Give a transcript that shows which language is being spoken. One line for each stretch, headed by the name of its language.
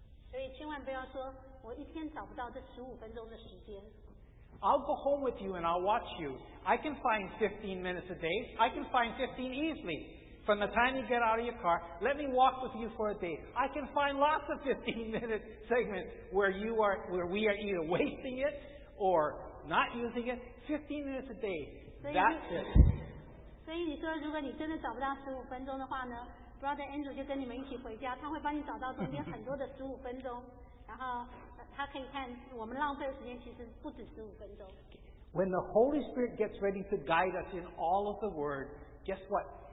Chinese: 所以千万不要说我一天找不到这15分钟的时间。
English: I'll go home with you and I'll watch you. I can find 15 minutes a day. I can find 15 easily. From the time you get out of your car, let me walk with you for a day. I can find lots of 15 minute segments where we are either wasting it or not using it. 15 minutes a day. That's it.
Chinese: 所以你说如果你真的找不到15分钟的话呢， Brother Andrew 就跟你们一起回家，他会帮你找到中间很多的15分钟。然后他可以看我们浪费的时间其实不止15分钟。
English: When the Holy Spirit gets ready to guide us in all of the Word, guess what?